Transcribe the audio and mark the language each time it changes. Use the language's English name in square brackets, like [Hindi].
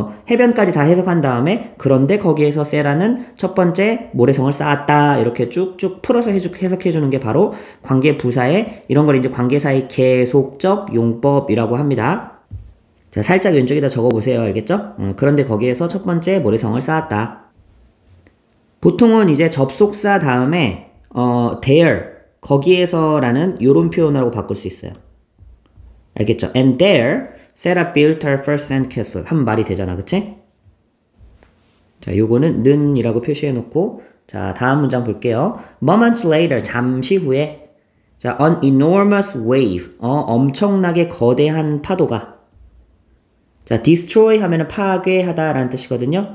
[Korean] 해변까지 다 해석한 다음에 그런데 거기에서 세라는 첫 번째 모래성을 쌓았다 이렇게 쭉쭉 풀어서 해석해 주는 게 바로 관계 부사의, 이런 걸 이제 관계사의 계속적 용법이라고 합니다. 자, 살짝 왼쪽에다 적어 보세요. 알겠죠? 그런데 거기에서 첫 번째 모래성을 쌓았다. 보통은 이제 접속사 다음에 there, 거기에서라는 요런 표현으로 바꿀 수 있어요. 알겠죠? [English] And there, Sarah built her first sandcastle. [Korean] 한 말이 되잖아, 그치? 자, 요거는 는이라고 표시해놓고, 자, 다음 문장 볼게요. [English] Moments later, [Korean] 잠시 후에, 자, [English] an enormous wave, [Korean] 엄청나게 거대한 파도가, 자, destroy 하면은 파괴하다라는 뜻이거든요.